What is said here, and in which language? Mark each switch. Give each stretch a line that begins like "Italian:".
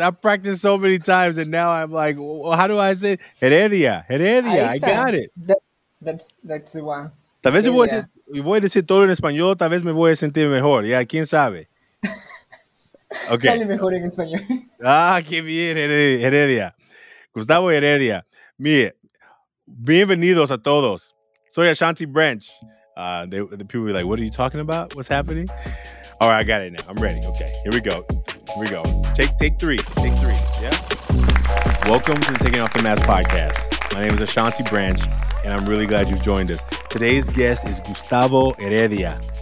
English: I practiced so many times and now I'm like, well, how do I say Heredia? Heredia. I got it. That's the one.
Spanish: Tal vez voy a decir todo en español, tal vez me voy a sentir mejor. Yeah, quién sabe. Okay. Sale mejor en español. Ah, qué bien, Heredia. Gustavo Heredia. Mire, bienvenidos a todos. Soy Ashanti Branch.
English: The people be like, what are you talking about? What's happening? All right, I got it now. I'm ready. Okay, here we go. Take three. Yeah. Welcome to the Taking Off the Mask podcast. My name is Ashanti Branch, and I'm really glad you've joined us. Today's guest is Gustavo Heredia.